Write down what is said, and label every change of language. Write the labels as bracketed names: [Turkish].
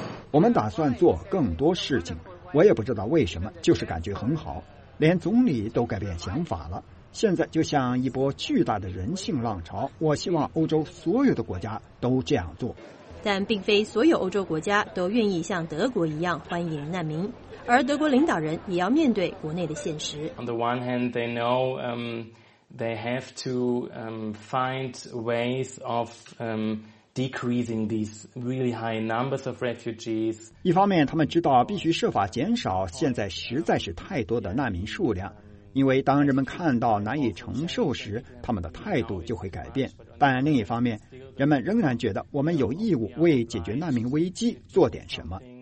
[Chinese] 我们打算做更多事情，我也不知道为什么，就是感觉很好，连总理都改变想法了。现在就像一波巨大的人性浪潮，我希望欧洲所有的国家都这样做。但并非所有欧洲国家都愿意像德国一样欢迎难民，而德国领导人也要面对国内的现实。 [English] On the one hand, they know they have to find ways of decreasing these really high numbers of refugees. [Chinese] 一方面，他们知道必须设法减少现在实在是太多的难民数量，因为当人们看到难以承受时，他们的态度就会改变。但另一方面，人们仍然觉得我们有义务为解决难民危机做点什么。